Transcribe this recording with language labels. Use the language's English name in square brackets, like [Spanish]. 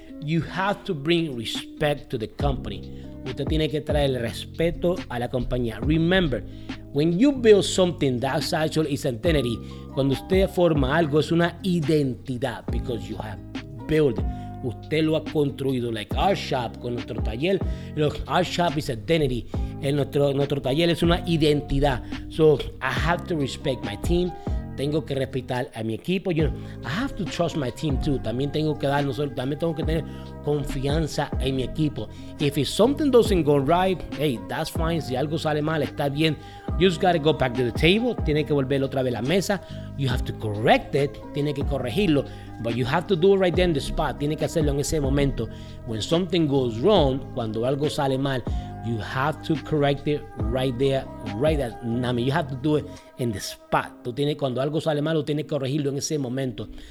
[English] You have to bring respect to the company. [Spanish] Usted tiene que traer respeto a la compañía. [English] Remember, when you build something, that's actually its identity. [Spanish] Cuando usted forma algo, es una identidad, [English] because you have built it. [Spanish] Usted lo ha construido, [English] like our shop, [Spanish] con nuestro taller. [English] Look, our shop is identity. [Spanish] Nuestro taller es una identidad. [English] So I have to respect my team. [Spanish] Tengo que respetar a mi equipo. [English] You know, I have to trust my team too. [Spanish] También tengo que tener confianza en mi equipo. [English] If something doesn't go right, hey, that's fine. [Spanish] Si algo sale mal, está bien. [English] You just gotta go back to the table. [Spanish] Tiene que volver otra vez a la mesa. [English] You have to correct it. [Spanish] Tiene que corregirlo. [English] But you have to do it right there in the spot. [Spanish] Tiene que hacerlo en ese momento. [English] When something goes wrong, [Spanish] cuando algo sale mal, [English] you have to correct it right there, right there. I mean, you have to do it in the spot. [Spanish] Tú tienes, cuando algo sale mal, tienes que corregirlo en ese momento.